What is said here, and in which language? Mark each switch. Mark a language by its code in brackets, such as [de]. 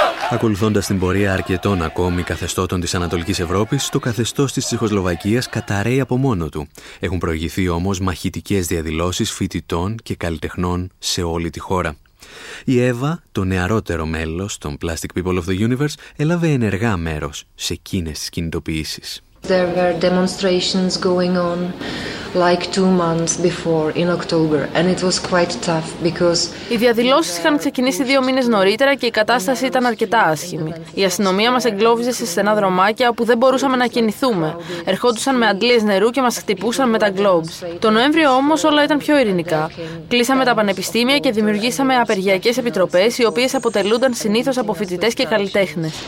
[el] Ακολουθώντας την πορεία αρκετών ακόμη καθεστώτων της Ανατολικής Ευρώπης, το καθεστώς της Τσεχοσλοβακίας καταραίει από μόνο του. Έχουν προηγηθεί όμως μαχητικές διαδηλώσεις φοιτητών και καλλιτεχνών σε όλη τη χώρα. Η Εύα, το νεαρότερο μέλος των Plastic People of the Universe, έλαβε ενεργά μέρος σε εκείνες τις κινητοποιήσεις. [en] There were demonstrations going on like 2 months before in October, and it was quite tough because. [el] Οι διαδηλώσεις είχαν ξεκινήσει 2 μήνες νωρίτερα και η κατάσταση ήταν αρκετά άσχημη. Η αστυνομία μας εγκλώβιζε σε στενά δρομάκια όπου δεν μπορούσαμε να κινηθούμε. Ερχόντουσαν με αντλίες νερού και μας χτυπούσαν με τα globes. Το Νοέμβριο όμως όλα ήταν πιο ειρηνικά. Κλείσαμε τα πανεπιστήμια και δημιουργήσαμε απεργιακές επιτροπές, οι οποίες αποτελούνταν συνήθως από φοιτητές και καλλιτέχνες.